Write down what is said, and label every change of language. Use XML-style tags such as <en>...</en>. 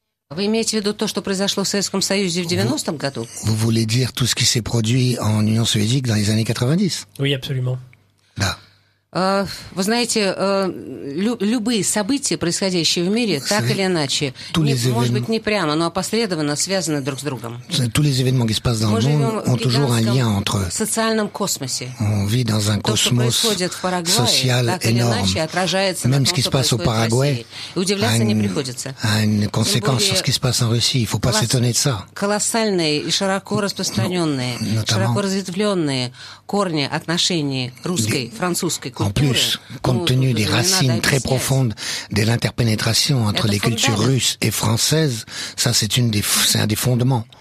<ru>Вы имеете в виду то, что произошло в Советском Союзе в 90-м году?</ru> <fr>Vous voulez dire tout ce qui s'est produit en Union soviétique dans les années 90? Oui, absolument.</fr> <ru>Да. Вы знаете, любые события, происходящие в мире, так или иначе, может быть, не прямо, но опосредованно связаны друг с другом.</ru> <fr>Tous les événements qui se passent dans le monde ont toujours un lien entre eux.</fr> <ru>В социальном космосе.</ru> <fr>On vit dans un cosmos social énorme.</fr> <ru>То, что происходит в Парагвае, так или иначе, отражается на том, что происходит. Удивляться не приходится.</ru> <fr>A une conséquence sur ce qui se passe en Russie. Il faut pas s'étonner de ça.</fr> <ru>Колоссальные и широко распространенные, широко разветвленные корни отношений русской, французской.</ru> <fr>En plus, compte tenu des racines très profondes de l'interpénétration entre les cultures russes et françaises, ça c'est un des fondements</fr>